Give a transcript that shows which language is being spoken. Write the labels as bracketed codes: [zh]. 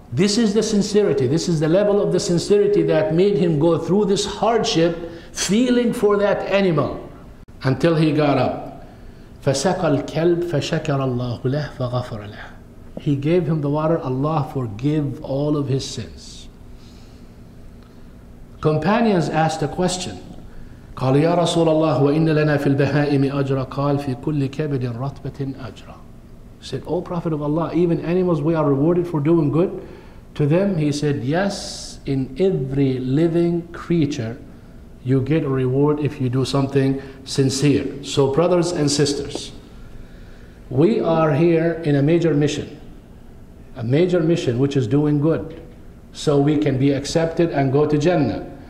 [en] This is the sincerity. This is the level of the sincerity that made him go through this hardship, feeling for that animal, until he got up. [ar] فَسَقَ الْكَلْبِ فَشَكَرَ اللَّهُ لَهُ فَغَفَرَ لَهُ. [en] He gave him the water. Allah forgive all of his sins. Companions asked a question. [ar] قال يا رسول الله وإن لنا في البهائم أجرا قال في كل كبد رتبة أجرا. [en] Said, O Prophet of Allah, even animals we are rewarded for doing good to them. He said, yes, in every living creature you get a reward if you do something sincere. So brothers and sisters, we are here in a major mission which is doing good, so we can be accepted and go to Jannah.